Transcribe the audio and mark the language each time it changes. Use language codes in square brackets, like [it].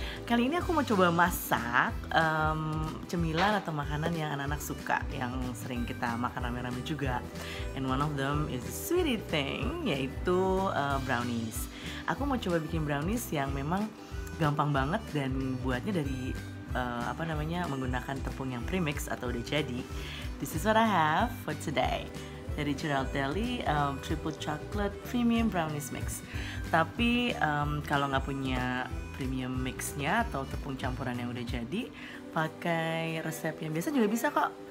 [id] Kali ini aku mau coba masak cemilan atau makanan yang anak-anak suka, yang sering kita makan rame-rame juga. [en] And one of them is a sweetie thing, [id] yaitu [en] brownies. [id] Aku mau coba bikin brownies yang memang gampang banget dan buatnya dari menggunakan tepung yang premix atau udah jadi. [en] This is what I have for today. Dari Cirelteli, triple chocolate premium brownies mix. [id] Tapi kalau nggak punya premium mixnya atau tepung campuran yang udah jadi, pakai resep yang biasa juga bisa kok.